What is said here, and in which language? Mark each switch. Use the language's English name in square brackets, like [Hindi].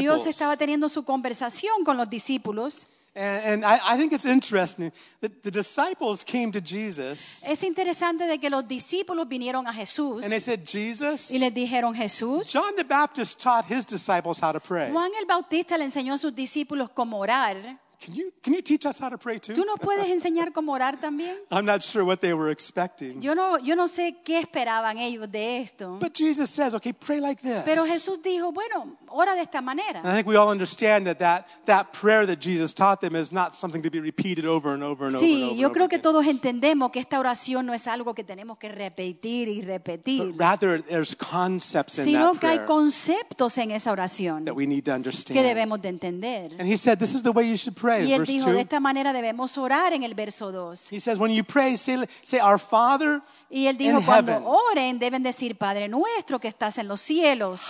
[Spanish] Dios estaba teniendo su conversación con los discípulos. [English] And I think it's interesting that the disciples came to Jesus. [Spanish] Es interesante de que los discípulos vinieron a Jesús. [English] And they said, Jesus. [Spanish] Y les dijeron, Jesús. [English] John the Baptist taught his disciples how to pray. [Spanish] Juan el Bautista le enseñó a sus discípulos cómo orar. [English] Can you teach us how to pray too? [Spanish] ¿Tú nos puedes enseñar cómo orar también? [English] I'm not sure what they were expecting. [Spanish] Yo no sé qué esperaban ellos de esto. [English] But Jesus says, okay, pray like this. [Spanish] Pero Jesús dijo, bueno, ora de esta manera. [English] And I think we all understand that prayer that Jesus taught them is not something to be repeated over and over and [Spanish] sí, [English] over. [Spanish] Sí, yo creo que todos entendemos que esta oración no es algo que tenemos que repetir y repetir. [English] But rather, there's concepts in [Spanish] sino Sino que hay conceptos en esa oración [English] that we need to understand. [Spanish] Que debemos de entender. [English] And he said, this is the way you should pray. [Spanish] Y él dijo, de esta manera debemos orar en el verso 2. [English] He says, when you pray, say our Father in heaven. [Spanish] Y él dijo, cuando oren, deben decir, Padre nuestro que estás en los cielos.